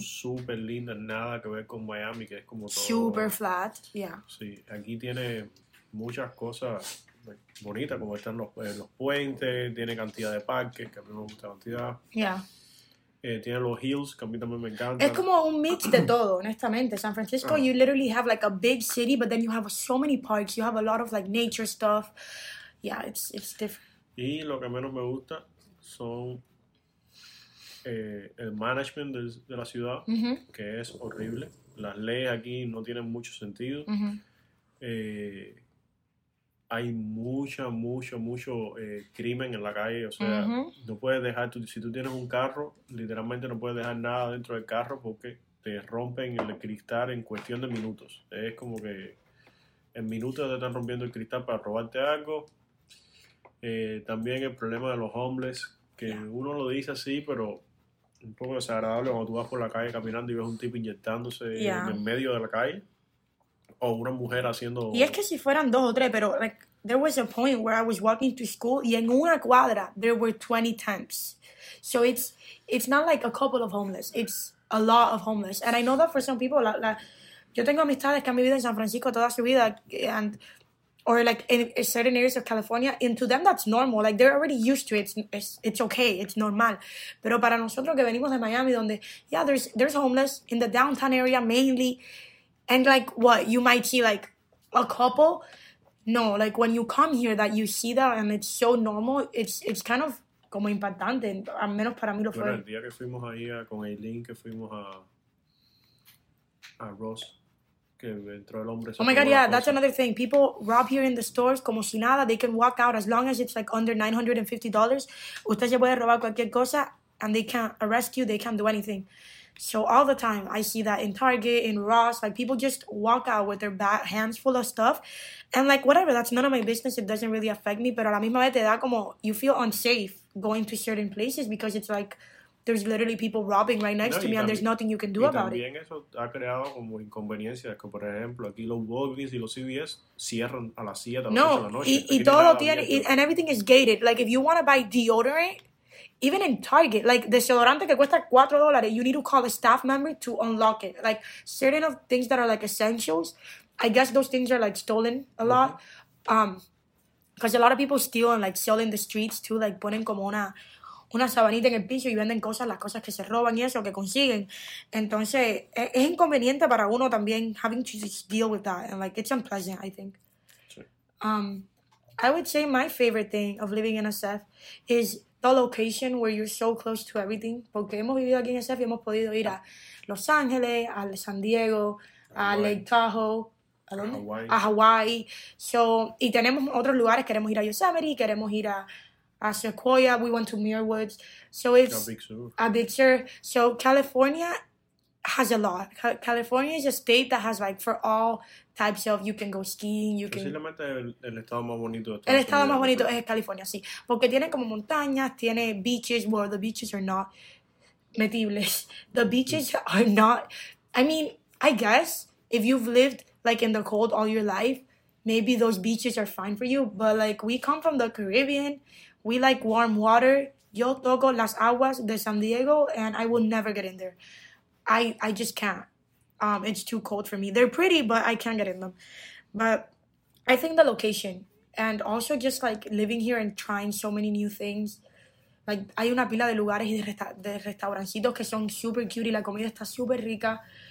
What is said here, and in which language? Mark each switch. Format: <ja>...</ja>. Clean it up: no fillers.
<es>súper lindas, nada que ver con Miami, que es como todo</es> <en>super flat, yeah.</en> <es>Sí, aquí tiene muchas cosas bonitas, como están los puentes, tiene cantidad de parques, que a mí me gusta la cantidad.</es> <en>Yeah.</en> <es>Tiene los hills, que a mí también me encantan. Es como un mix de todo, honestamente.</es> <en>San Francisco, you literally have like a big city, but then you have so many parks, you have a lot of like nature stuff. Yeah, it's different.</en> <es>Y lo que menos me gusta son el management de la ciudad, mm-hmm. que es horrible. Las leyes aquí no tienen mucho sentido. Mm-hmm. Hay mucho crimen en la calle. O sea, mm-hmm. no puedes dejar, si tú tienes un carro, literalmente no puedes dejar nada dentro del carro porque te rompen el cristal en cuestión de minutos. Es como que en minutos te están rompiendo el cristal para robarte algo. También el problema de los homeless, que uno lo dice así, pero un poco desagradable cuando tú vas por la calle caminando y ves un tipo inyectándose en el medio de la calle. O una mujer haciendo. Y es que si fueran dos o tres, pero</es> <en>like, there was a point where I was walking to school</en> <es>y en una cuadra</es> <en>there were 20 tents. So it's not like a couple of homeless, it's a lot of homeless. And I know that for some people,</en> <es>yo tengo amistades que han vivido en San Francisco toda su vida</es> <en>and or like in certain areas of California, and to them that's normal. Like they're already used to it. It's okay. It's normal.</en> <es>Pero para nosotros que venimos de Miami, donde</es> <en>there's homeless in the downtown area mainly, and like what you might see like a couple. No, like when you come here, that you see that and it's so normal. It's kind of</en> <es>como impactante. Al menos para mí lo fue. Bueno, el día que fuimos ahí con Aileen, que fuimos a Ross.</es> <en>Oh my God, yeah, that's another thing. People rob here in the stores</en> <es>como si nada.</es> <en>They can walk out as long as it's like under $950.</en> <es>Usted se puede robar cualquier cosa</es> <en>and they can't arrest you. They can't do anything. So all the time I see that in Target, in Ross. Like people just walk out with their hands full of stuff. And like whatever, that's none of my business. It doesn't really affect me.</en> <es>Pero a la misma vez te da como,</es> <en>you feel unsafe going to certain places because it's like, there's literally people robbing right next to me, and there's nothing you can do about it.</en> <es>También eso ha creado como inconveniencias, que por ejemplo aquí los Walgreens y los CVS cierran a las 7 de la noche. No, y todo tiene,</es> <en>and everything is gated. Like if you want to buy deodorant, even in Target, like</en> <es>desodorante que cuesta $4,</es> <en>you need to call a staff member to unlock it. Like certain of things that are like essentials, I guess those things are like stolen a lot, because a lot of people steal and like sell in the streets too.</en> <es>Like ponen como una sabanita en el piso y venden cosas, las cosas que se roban y eso, que consiguen. Entonces, es inconveniente para uno también</es> <en>having to just deal with that. And, like, it's unpleasant, I think. Sure. I would say my favorite thing of living in SF is the location where you're so close to everything.</en> <es>Porque hemos vivido aquí en SF y hemos podido ir a Los Ángeles, a San Diego, a Lake Tahoe. A Hawaii. So, y tenemos otros lugares. Queremos ir a Yosemite, queremos ir a</es> <en>at Sequoia. We went to Muir Woods. So it's a big sur. So California has a lot. California is a state that has, like, for all types of, you can go skiing, you can...</en> <es>Posiblemente el estado más bonito de todo. El estado más bonito es California, sí. Porque tiene como montañas, tiene beaches.</es> <en>Well, the beaches are not</en> <es>medibles.</es> <en>The beaches are not... I mean, I guess if you've lived, like, in the cold all your life, maybe those beaches are fine for you. But, like, we come from the Caribbean. We like warm water.</en> <es>Yo toco las aguas de San Diego,</es> <en>and I will never get in there. I just can't. It's too cold for me. They're pretty, but I can't get in them. But I think the location and also just, like, living here and trying so many new things.</en> <es>Like, hay una pila de lugares y de restaurancitos que son super cute y la comida está super rica.</es>